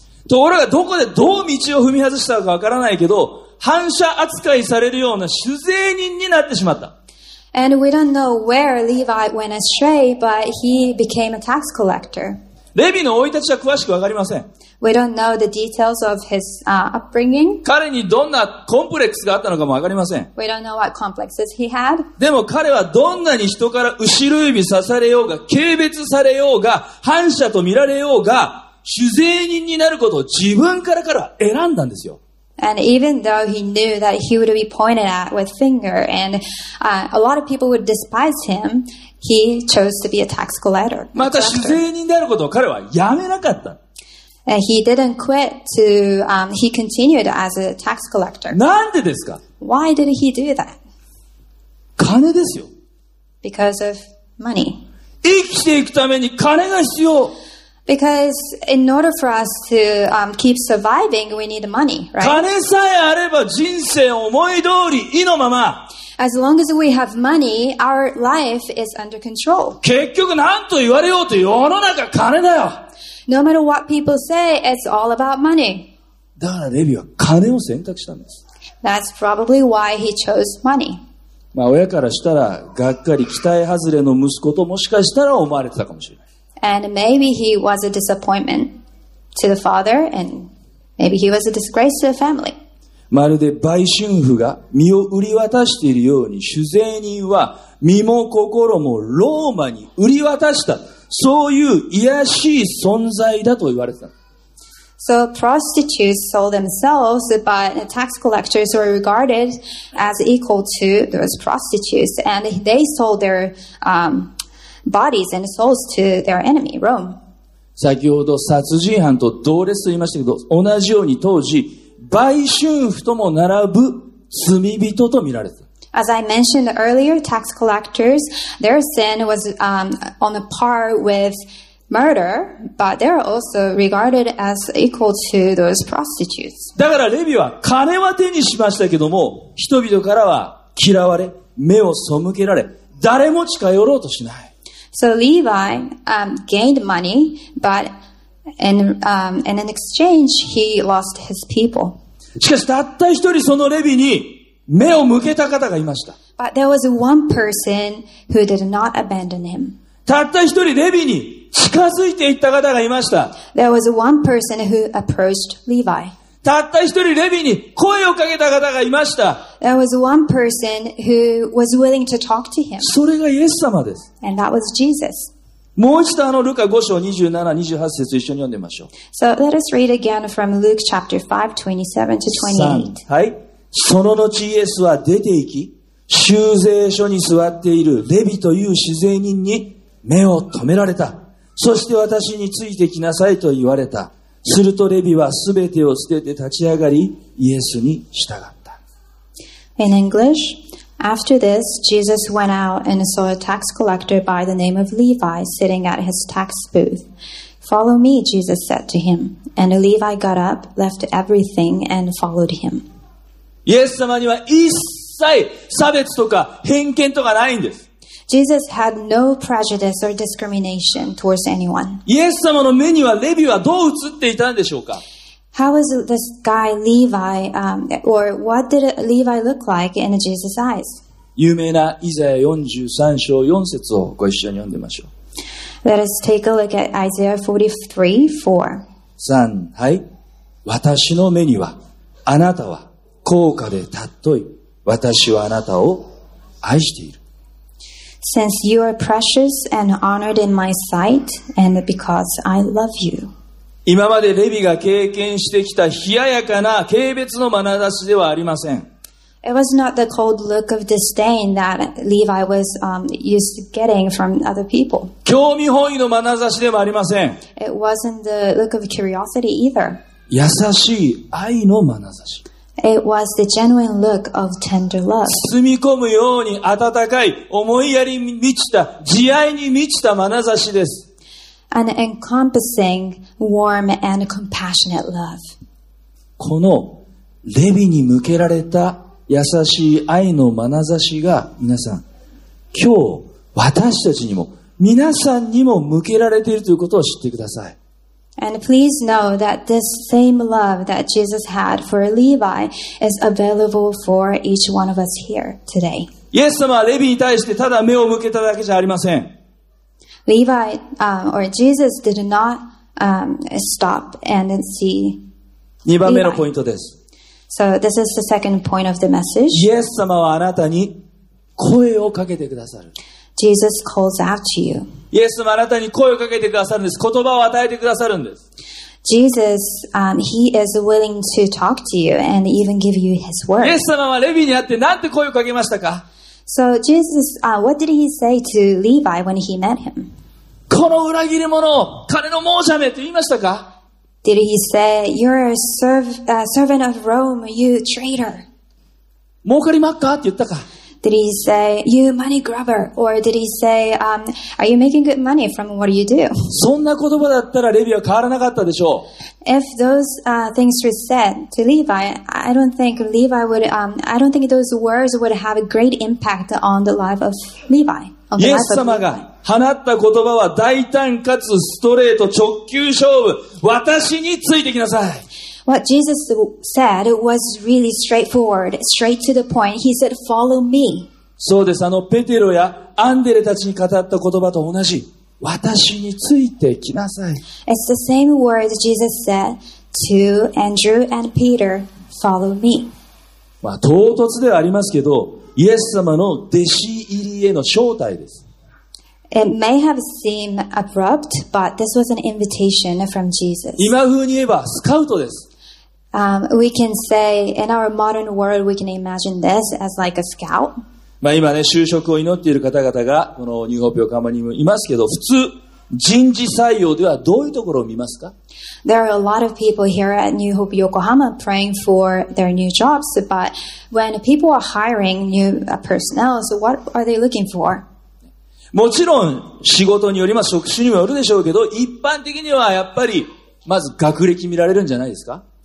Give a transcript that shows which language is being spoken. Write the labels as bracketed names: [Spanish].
[Japanese] ところがどこでどう道を踏み外したかわからないけど、反社扱いされるような主税人になってしまった。 [English] And we don't know where Levi went astray, but he became a tax collector. [Japanese] レビの生い立ちは詳しくわかりません。 [English] We don't know the details of his upbringing. [Japanese] 彼にどんなコンプレックスがあったのかもわかりません。 [English] We don't know what complexes he had. [Japanese] でも彼はどんなに人から後ろ指刺されようが、軽蔑されようが、反社と見られようが、主税人になることを自分から彼は選んだんですよ。 [English] And even though he knew that he would be pointed at with finger and a lot of people would despise him, he chose to be a tax collector. [Japanese] また主税人であることを彼はやめなかった。 [English] And he didn't quit to, he continued as a tax collector. [Japanese] なんでですか? [English] Why did he do that? [Japanese] 金ですよ。 [English] Because of money. [Japanese] 生きていくために金が必要。 [English] Because in order for us to, keep surviving, we need money, right? [Japanese] 金さえあれば人生思い通り、意のまま。 [English] As long as we have money, our life is under control. [Japanese] 結局何と言われようと世の中金だよ。 [English] No matter what people say, it's all about money. [Japanese] だからレビは金を選択したんです。 [English] That's probably why he chose money. [Japanese] まあ親からしたら、がっかり期待外れの息子ともしかしたら思われてたかもしれない。 [English] And maybe he was a disappointment to the father, and maybe he was a disgrace to the family. [Japanese] まるで売春婦が身を売り渡しているように、主税人は身も心もローマに売り渡した。そういう卑しい存在だと言われてた。 [English] So prostitutes sold themselves, but tax collectors were regarded as equal to those prostitutes, and they sold their bodies and souls to their enemy, Rome. [Japanese] 先ほど殺人犯と同列と言いましたけど、同じように当時売春婦とも並ぶ罪人と見られた。 [English] As I mentioned earlier, tax collectors, their sin was on a par with murder, but they are also regarded as equal to those prostitutes. [Japanese] だからレビは金は手にしましたけども、人々からは嫌われ、目を背けられ、誰も近寄ろうとしない。 [English] So Levi gained money, but in exchange, he lost his people. [Japanese] しかしたった一人そのレビに目を向けた方がいました。 [English] But there was one person who did not abandon him. [Japanese] たった一人レビに近づいていった方がいました。 [English] There was one person who approached Levi. [Japanese] たった一人レビに声をかけた方がいました。 [English] There was one person who was willing to talk to him. [Japanese] それがイエス様です。 [English] And that was Jesus. [Japanese] もう一度ルカ5章27、28節一緒に読んでみましょう。 [English] So let us read again from Luke chapter 5, 27 to 28. [Japanese] はい。その後イエスは出て行き、収税所に座っているレビという税吏人に目を留められた。そして私についてきなさいと言われた。するとレビはすべてを捨てて立ち上がり、イエスに従った。 [English] In English, after this, Jesus went out and saw a tax collector by the name of Levi sitting at his tax booth. Follow me, Jesus said to him. And Levi got up, left everything and followed him. [Japanese] イエス様には一切差別とか偏見とかないんです。 [English] Jesus had no prejudice or discrimination towards anyone. [Japanese] イエス様の目にはレビはどう映っていたんでしょうか? [English] How was this guy Levi, or what did Levi look like in Jesus' eyes? [Japanese] 有名なイザヤ43章4節をご一緒に読んでみましょう。 [English] Let us take a look at Isaiah 43:4. [Japanese] 3. はい。私の目には、あなたは、高価でたっとい、私はあなたを愛している。 [English] Since you are precious and honored in my sight, and because I love you. [Japanese] 今までレビが経験してきた冷ややかな軽蔑の眼差しではありません。 [English] It was not the cold look of disdain that Levi was used to getting from other people. [Japanese] 興味本位の眼差しでもありません。 [English] It wasn't the look of curiosity either. [Japanese] 優しい愛の眼差し。 [English] It was the genuine look of tender love. [Japanese] 包み込むように温かい思いやりに満ちた慈愛に満ちた眼差しです。 [English] An encompassing, warm and compassionate love. [Japanese] このレビに向けられた優しい愛の眼差しが皆さん、今日私たちにも皆さんにも向けられているということを知ってください。 [English] And please know that this same love that Jesus had for Levi is available for each one of us here today. [Japanese] イエス様はレビに対してただ目を向けただけじゃありません。 [English] Levi, or Jesus did not, stop and see. [Japanese] 2番目のポイントです。 [English] So this is the second point of the message. [Japanese] イエス様はあなたに声をかけてくださる。 [English] Jesus calls out to you. [Japanese] イエス様あなたに声をかけてくださるんです。言葉を与えてくださるんです。 [English] Jesus, he is willing to talk to you and even give you his word. [Japanese] イエス様はレビに会って何て声をかけましたか? [English] So Jesus, what did he say to Levi when he met him? [Japanese] この裏切り者を金の亡者めと言いましたか? [English] Did he say, you're a servant of Rome, you traitor? [Japanese] 儲かりまっかって言ったか? [English] Did he say, you money grubber? Or did he say, are you making good money from what you do? [Japanese] そんな言葉だったらレビは変わらなかったでしょう。 [English] If those, things were said to Levi, I don't think Levi would, I don't think those words would have a great impact on the life of Levi. [Japanese] イエス様が放った言葉は大胆かつストレート直球勝負。私についてきなさい。 [English] What Jesus said was really straightforward, straight to the point. He said, follow me. [Japanese] そうです。ペテロやアンデレたちに語った言葉と同じ。私についてきなさい。 [English] It's the same word Jesus said to Andrew and Peter, follow me. [Japanese] まあ、唐突ではありますけど、イエス様の弟子入りへの招待です。 [English] It may have seemed abrupt, but this was an invitation from Jesus. [Japanese] 今風に言えばスカウトです。 [English] We can say in our modern world, we can imagine this as like a scout. [Japanese] まあ今ね、就職を祈っている方々がこのニューホープ横浜にもいますけど、普通人事採用ではどういうところを見ますか？ [English] There are a lot of people here at New Hope Yokohama praying for their new jobs, but when people are hiring new personnel, so what are they looking for? [Japanese] もちろん仕事によりますし、職種にもよるでしょうけど、一般的にはやっぱりまず学歴見られるんじゃないですか？